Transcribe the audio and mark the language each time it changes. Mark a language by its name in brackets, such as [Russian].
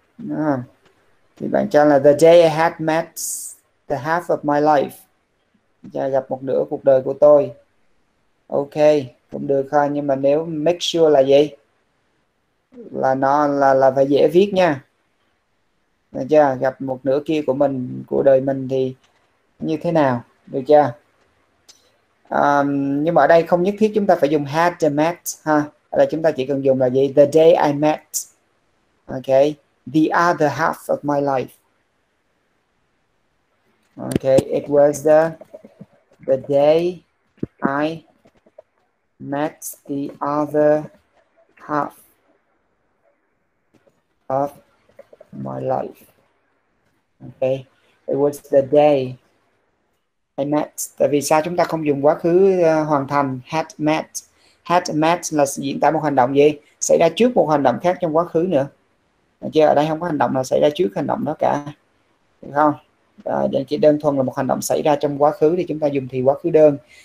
[Vietnamese] À, thì bạn cho là [English] the day I had met the half of my life. [Vietnamese] Gặp một nửa cuộc đời của tôi. Ok, cũng được ha, nhưng mà nếu make sure là gì? Là nó là phải dễ viết nha. Được chưa? Gặp một nửa kia của mình, của đời mình thì như thế nào? Được chưa? Nhưng mà ở đây không nhất thiết chúng ta phải dùng had the met ha. Là chúng ta chỉ cần dùng là gì? [English] The day I met. Ok. The other half of my life. Ok. It was the day I met the other half of my life. Ok. It was the day I met. [Vietnamese] Tại vì sao chúng ta không dùng quá khứ hoàn thành? Had met. Had met là diễn tả một hành động gì? Xảy ra trước một hành động khác trong quá khứ nữa. Được chưa? Ở đây không có hành động nào xảy ra trước hành động đó cả. Được không? Rồi, chỉ đơn thuần là một hành động xảy ra trong quá khứ thì chúng ta dùng thì quá khứ đơn.